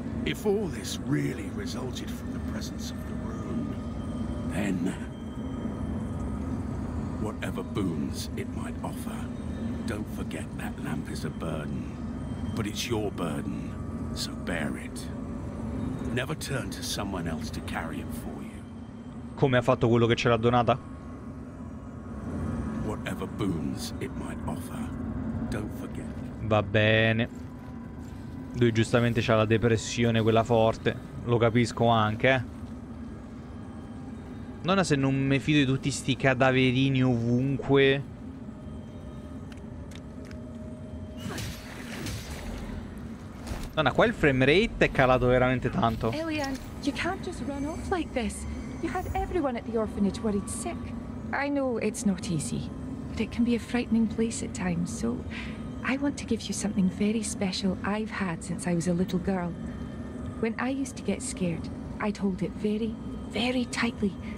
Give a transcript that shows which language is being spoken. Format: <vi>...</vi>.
<en>If all this really resulted from the presence of the rune, then whatever boons it might offer, don't forget that lamp is a burden. But it's your burden, so bear it. Never turn to someone else to carry it for you.</en> <it>Come ha fatto quello che ce l'ha donata?</it> <en>Whatever boons it might offer, don't forget.</en> <it>Va bene. Lui giustamente c'ha la depressione quella forte. Lo capisco anche, eh. Nonna, se non mi fido di tutti sti cadaverini ovunque. Nonna, qua il frame rate è calato veramente tanto.</it> <en>Elian, you can't just run off like this. You had everyone at the orphanage worried sick. I know it's not easy, but it can be a frightening place at times. So, I want to give you something very special I've had since I was a little girl. When I used to get scared, I'd hold it very, very tightly.</en>